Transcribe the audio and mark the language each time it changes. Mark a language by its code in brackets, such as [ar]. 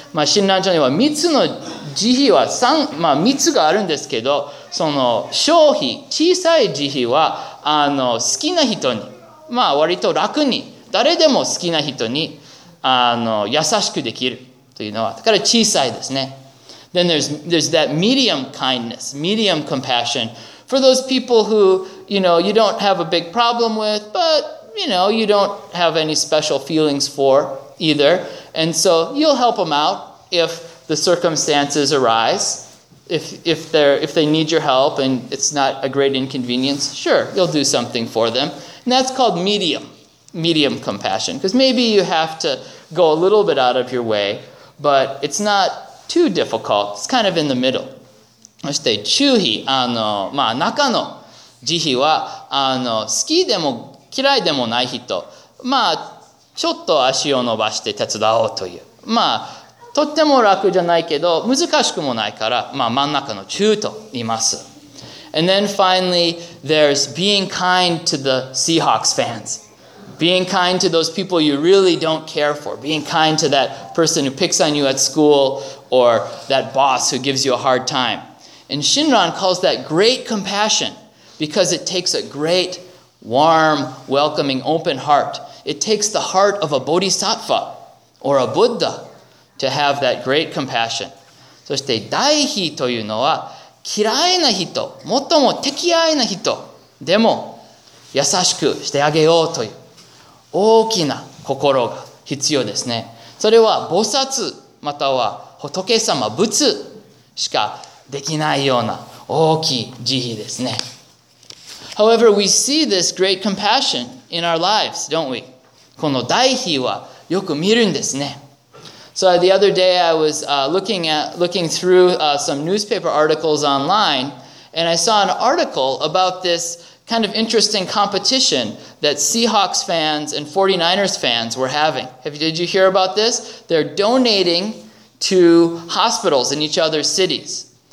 [ja] まあ Shinran ちゃんには三つの慈悲は三、まあ三つがあるんですけど、その小悲、小さい慈悲はあの好きな人に、まあ割と楽に、誰でも好きな人にあの優しくできるというのは、だから小さいですね。 [en] Then there's that medium kindness, medium compassion for those people who, you know, you don't have a big problem with, but, you know, you don't have any special feelings for either. And so you'll help them out if the circumstances arise. If they need your help and it's not a great inconvenience, sure, you'll do something for them. And that's called medium compassion, because maybe you have to go a little bit out of your way, but it's not too difficult. It's kind of in the middle. [ja] そして中悲、あの、まあ中の慈悲は、あの、好きでも嫌いでもない人、まあ、ちょっと足を伸ばして手伝おうという。まあ、とっても楽じゃないけど、難しくもないから、まあ真ん中の中と言います。 [en] And then finally, there's being kind to the Seahawks fans. Being kind to those people you really don't care for. Being kind to that person who picks on you at school or that boss who gives you a hard time. And Shinran calls that great compassion because it takes a great, warm, welcoming, open heart. It takes the heart of a bodhisattva or a Buddha to have that great compassion. [ja] そして大悲というのは嫌いな人、最も敵愛な人でも優しくしてあげようという。大きな心が必要ですね。それは菩薩または仏様、仏しかできないような大きい慈悲ですね。 [en] However, we see this great compassion in our lives, don't we? [ja] この大悲はよく見るんですね。 [en] So the other day I was looking through some newspaper articles online and I saw an article about this kind of interesting competition that Seahawks fans and 49ers fans were having. Did you hear about this? They're donating to hospitals in each other's cities.